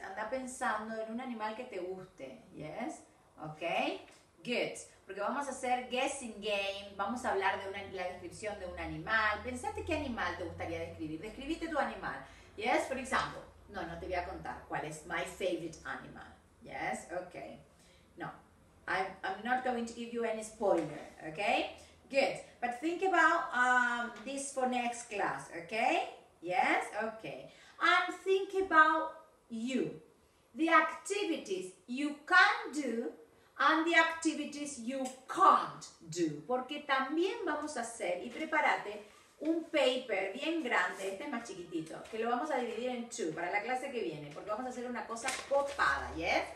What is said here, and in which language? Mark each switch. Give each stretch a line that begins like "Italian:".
Spanish: Anda pensando en un animal que te guste.
English: Yes. Okay. Good.
Spanish: Porque vamos a hacer guessing game, vamos a hablar de la descripción de un animal. Pensate qué animal te gustaría describir. Describite tu animal.
English: Yes, for example.
Spanish: No te voy a contar cuál es
English: my favorite animal. Yes, okay. No, I'm not going to give you any spoiler, okay? Good, but think about this for next class, okay? Yes, okay. And think about you. The activities you can do and the activities you can't do.
Spanish: Porque también vamos a hacer, y prepárate, un paper bien grande, este es más chiquitito, que lo vamos a dividir en 2 para la clase que viene, porque vamos a hacer una cosa copada, yes?